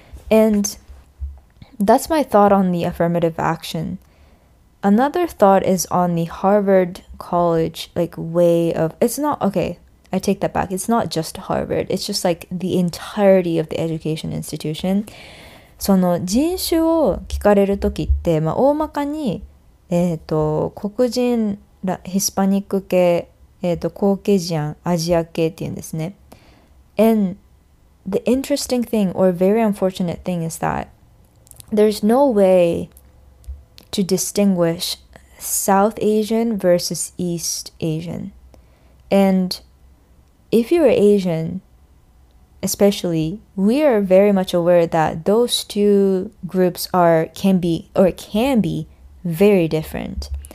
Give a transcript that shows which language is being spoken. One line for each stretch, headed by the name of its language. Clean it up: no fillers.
English: And that's my thought on the affirmative action. Another thought is on the Harvard College like way of it's not okay, I take that back. It's not just Harvard. It's just like the entirety of the education institution.
Japanese: その人種を聞かれる時って、まあ、大まかに、黒人、ヒスパニック系、コーケジアン、アジア系っていうんですね。
English: And the interesting thing or very unfortunate thing is that there's no way to distinguish South Asian versus East Asian. And if you are Asian, especially, we are very much aware that those two groups can be very different.